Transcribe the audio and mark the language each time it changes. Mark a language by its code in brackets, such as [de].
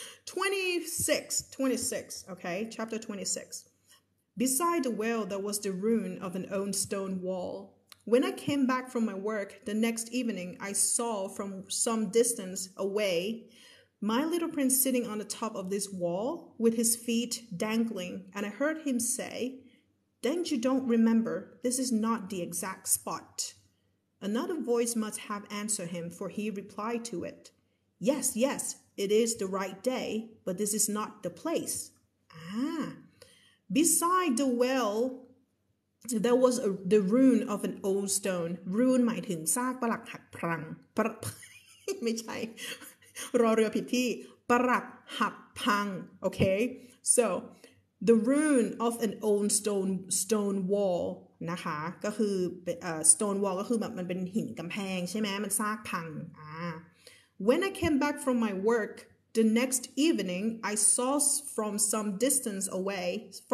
[en] 26 okay chapter 26 beside the well there was the ruin of an old stone wall when I came back from my work the next evening I saw from some distance away my little prince sitting on the top of this wall with his feet dangling and I heard him sayThen you don't remember, this is not the exact spot. Another voice must have answered him, for he replied to it. Yes, yes, it is the right day, but this is not the place. Beside the well, there was the ruin of an old stone. [th] Ruin หมายถึงซากปรักหักพรังไม่ใช่รอเรือผิดที่ปรักหักพรัง [en] okay? So... The ruin of an old stone wall [th] นะคะก็คือ stone wall ก็คือแบบมันเป็นหินกำแพงใช่ไหมมันซากพัง [en] When I came back from my work the next evening, I saw from some distance away,